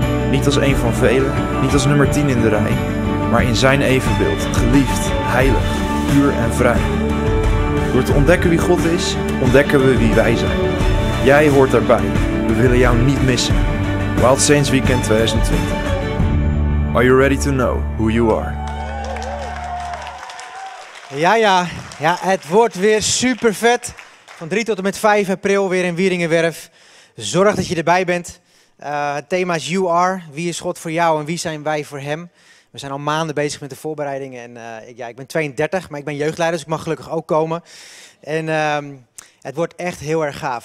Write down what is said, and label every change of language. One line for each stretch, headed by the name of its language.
Dutch: Niet als een van velen, niet als nummer 10 in de rij, maar in zijn evenbeeld, geliefd, heilig, puur en vrij. Door te ontdekken wie God is, ontdekken we wie wij zijn. Jij hoort daarbij, we willen jou niet missen. Wild Saints Weekend 2020.
English: Are you ready to know who you are?
Dutch: Ja, het wordt weer super vet. Van 3 tot en met 5 april weer in Wieringenwerf. Zorg dat je erbij bent. Het thema is You Are. Wie is God voor jou en wie zijn wij voor Hem? We zijn al maanden bezig met de voorbereidingen. Ik ben 32, maar ik ben jeugdleider, dus ik mag gelukkig ook komen. Het wordt echt heel erg gaaf.